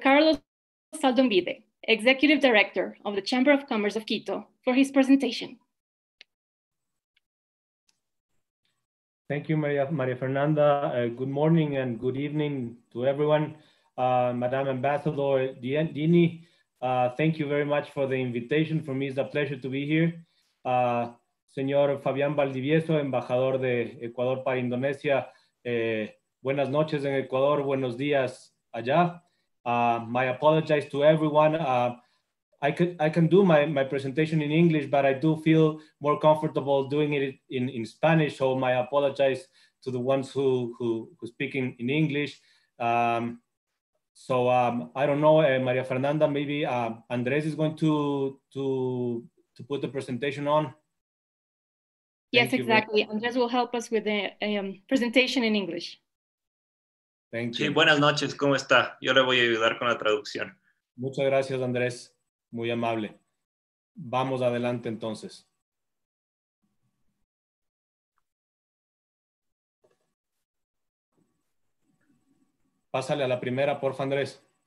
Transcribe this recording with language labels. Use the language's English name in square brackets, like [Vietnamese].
[English] Carlos Saldombide, Executive Director of the Chamber of Commerce of Quito, for his presentation. Thank you, Maria Fernanda. Good morning and good evening to everyone. Madam Ambassador Dini, thank you very much for the invitation. For me, it's a pleasure to be here. [Spanish] Señor Fabián Valdivieso, Embajador de Ecuador para Indonesia, buenas noches en Ecuador, buenos días allá. [English] My apologies to everyone. I can do my presentation in English, but I do feel more comfortable doing it in Spanish. So my apologies to the ones who speak in English. I don't know, Maria Fernanda, maybe Andres is going to put the presentation on. Yes, exactly. Andres will help us with the presentation in English. Thank you. [Spanish] Sí, buenas noches, ¿cómo está? Yo le voy a ayudar con la traducción. Muchas gracias, Andrés. Muy amable. Vamos adelante entonces. Pásale a la primera, porfa, Andrés.